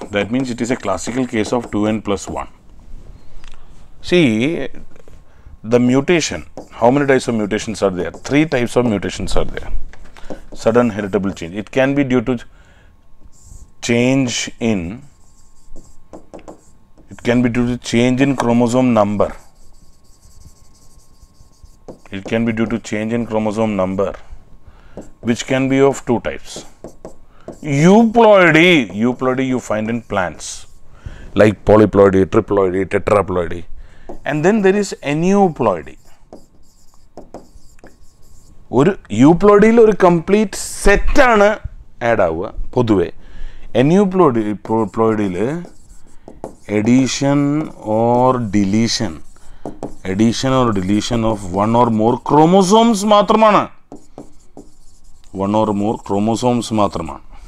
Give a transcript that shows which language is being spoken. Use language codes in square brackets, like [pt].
[en] That means it is a classical case of 2n+1. See the mutation, how many types of mutations are there? 3 types of mutations are there. sudden heritable change. It can be due to change in, it can be due to change in chromosome number. It can be due to change in chromosome number, which can be of two types. Euploidy. Euploidy you find in plants like polyploidy, triploidy, tetraploidy. And then there is aneuploidy. [ml] ഒരു യൂപ്ലോയിഡിയിൽ ഒരു complete സെറ്റാണ് add ആവുക പൊതുവെ. എന്യൂപ്ലോയിഡി പ്ലോയിഡിയിൽ [en] addition or deletion, addition or deletion of one or more chromosomes [ml] മാത്രമാണ്, [en] one or more chromosomes [ml] മാത്രമാണ്.